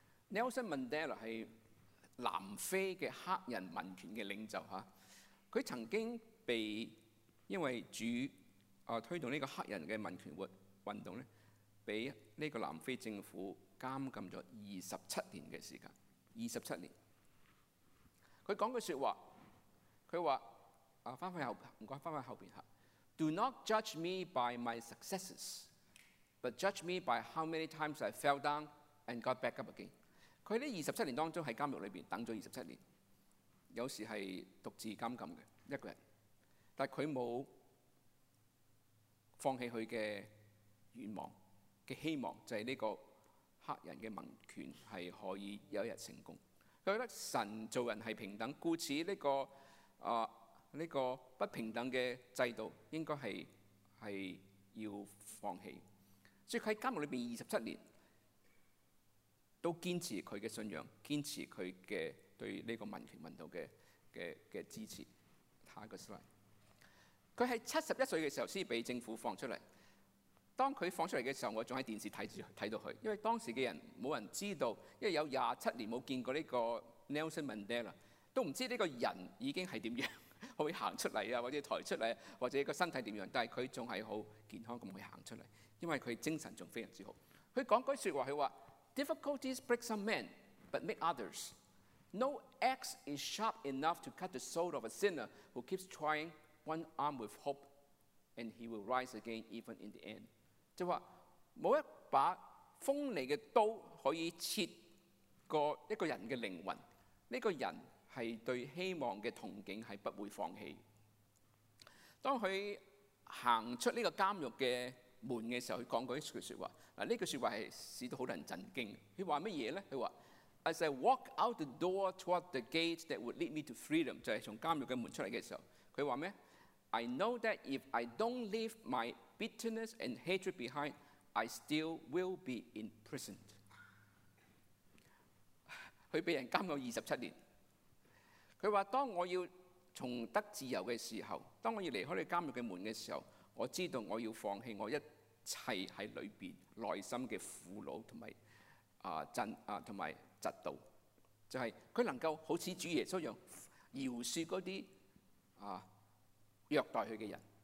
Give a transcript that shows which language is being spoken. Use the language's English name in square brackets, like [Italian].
[Chinese] Nelson Mandela 是南非的黑人民权的领袖，他他曾经被因为主、推动这个黑人的民权运动呢，被这个南非政府监禁了27年的时间。 27年，他讲句说话，他说、回后面 [English] Do not judge me by my successes, but judge me by how many times I fell down and got back up again。 [Chinese] 他在27年当中在监狱里面等了27年，有时是独自监禁的一个人，但他没有放弃他的愿望的希望，就是这个黑人的民权是可以有一天成功。他觉得神做人是平等，故此这个、这个不平等的制度应该 是要放弃。所以他在监狱里面27年都坚持他的信仰，坚持他的对这个民权运动 的支持。下一个 slide。他在71岁的时候才被政府放出来，当他放出来的时候，我还在电视看到他，因为当时的人没人知道，因为有27年没见过这个 Nelson Mandela， 都不知道这个人已经是怎样会走出来，或者抬出来，或者身体怎样，但他还是很健康地走出来，因为他精神还非常好。他说句说话，他说 [English] Difficulties break some men but make others。 No axe is sharp enough to cut the soul of a sinner who keeps trying, one arm with hope, and he will rise again even in the end. [Chinese] 就是说，没有一把锋利的刀可以切过一个人的灵魂，这个人是对希望的憧憬是不会放弃。当他走出这个监狱的门的时候，他讲过一句说话，这句说话是使到很多人震惊。他说什么呢？他说 [English] As I walk out the door toward the gate that would lead me to freedom, [Chinese] 就是从监狱的门出来的时候，他说什么？ [English] I know that if I don't leave my bitterness and hatred behind, I still will be imprisoned. [Chinese] 他被人监狱27年，他说当我要从得自由的时候，当我要离开监狱的门的时候，我知道我要放弃我一切在里面内心的苦恼和嫉妒，就是他能够好像主耶稣一样饶恕那些、虐待他的人。